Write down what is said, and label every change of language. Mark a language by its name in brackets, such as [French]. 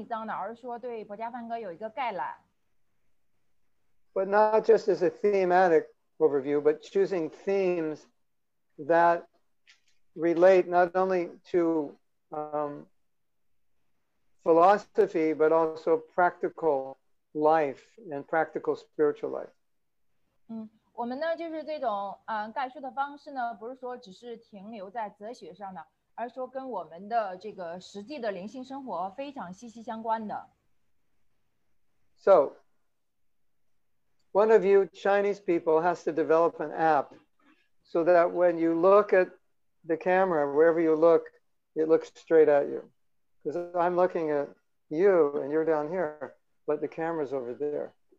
[Chinese] 我们呢，就是现在学习《博伽梵歌》的方式呢，我们不是一章一章的，而是说对《博伽梵歌》有一个概览。 [English] But not just as a thematic overview, but choosing themes that relate not only to philosophy, but also practical life and practical spiritual life. [Chinese] 我们呢，就是这种概述的方式呢，不是说只是停留在哲学上的，而是说跟我们的这个实际的灵性生活非常息息相关的。 [English] So, one of you Chinese people has to develop an app so that when you look at the camera, wherever you look, it looks straight at you. Because I'm looking at you and you're down here, but the camera's over there.